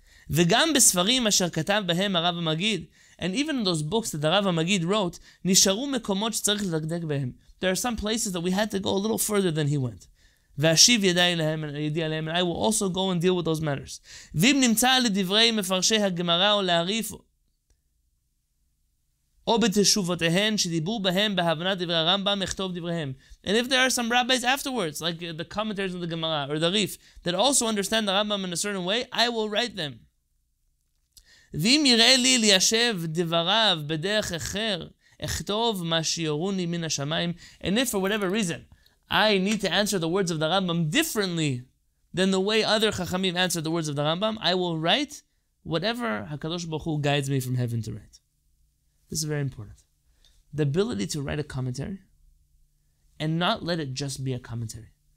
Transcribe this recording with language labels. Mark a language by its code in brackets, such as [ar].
[he] וגם בספרים אשר כתב בהם הרב המגיד, [en] and even in those books that the Rav HaMagid wrote, [he] נשארו מקומות שצריך לדקדק בהם. [en] There are some places that we had to go a little further than he went. [he] ואשיב ידי להם, ידי עליהם, [en] and I will also go and deal with those matters. [he] ואם נמצא לדברי מפרשי הגמרא או להריף, או בתשובותיהן שדיברו בהם בהבנת דברי הרמב״ם, מכתוב דבריהם. [en] And if there are some rabbis afterwards, like the commentators of the Gemara, or the Rif, that also understand the Rambam in a certain way, I will write them. [he] ואם יראה לי ליישב דבריו בדרך אחר, אכתוב מה שיורוני מן השמיים. [en] And if for whatever reason, I need to answer the words of the Rambam differently than the way other Chachamim answer the words of the Rambam, I will write whatever HaKadosh Baruch Hu guides me from heaven to write. This is very important. The ability to write a commentary and not let it just be a commentary.